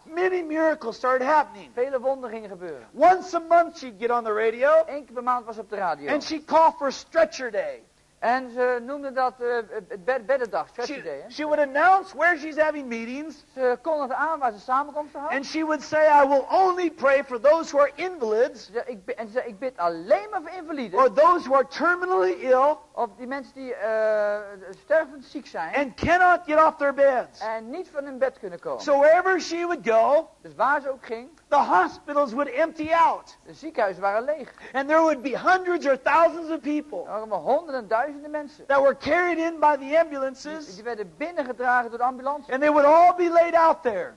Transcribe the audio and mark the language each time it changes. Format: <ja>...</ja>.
<en>Many miracles started happening.</en> <nl>Vele wonderen gingen gebeuren.</nl> <en>Once a month she'd get on the radio.</en> <nl>Eén keer per maand was op de radio.</nl> <en>And she'd call for stretcher day.</en> <nl>En ze noemde dat beddendag,</nl> <en>stretcher day. She would announce where she's having meetings.</en> <nl>Ze kondigde aan waar ze samenkomsten had.</nl> <en>And she would say, I will only pray for those who are invalids.</en> <nl>En ze zei, ik bid alleen maar voor invaliden.</nl> <en>Or those who are terminally ill.</en> <nl>Of die mensen die stervend ziek zijn.</nl> <en>And cannot get off their beds.</en> <nl>En niet van hun bed kunnen komen.</nl> <en>So wherever she would go.</en> <nl>Dus waar ze ook ging.</nl> <en>The hospitals would empty out.</en> <nl>De ziekenhuizen waren leeg.</nl> <en>And there would be hundreds or thousands of people.</en> <nl>Er waren honderden, duizenden mensen.</nl> <en>That were carried in by the ambulances.</en> <nl>Die werden binnengedragen door de ambulances.</nl> <en>And they would all be laid out there.</en>